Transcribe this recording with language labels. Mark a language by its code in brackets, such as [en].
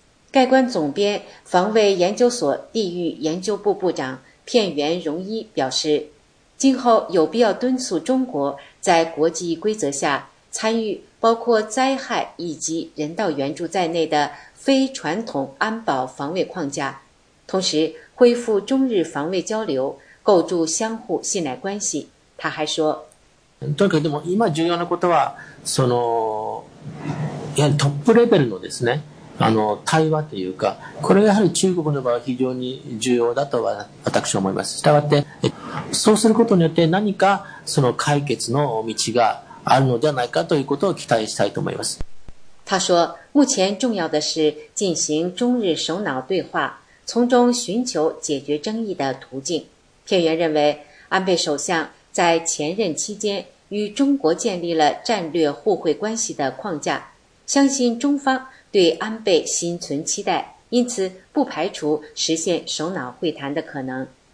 [zh] 概观总编、防卫研究所地域研究部部长片原荣一表示，今后有必要敦促中国在国际规则下参与包括灾害以及人道援助在内的非传统安保防卫框架，同时恢复中日防卫交流，构筑相互信赖关系。他还说， [ja] だけども今重要なことはそのトップレベルのですね、あの対話というか、これがやはり中国の場合は非常に重要だとは私は思います。したがってそうすることによって何かその解決の道があるのではないかということを期待したいと思います。 [zh] 他说，目前重要的是进行中日首脑对话，从中寻求解决争议的途径。片原认为，安倍首相在前任期间与中国建立了战略互惠关系的框架，相信中方对安倍心存期待，因此不排除实现首脑会谈的可能。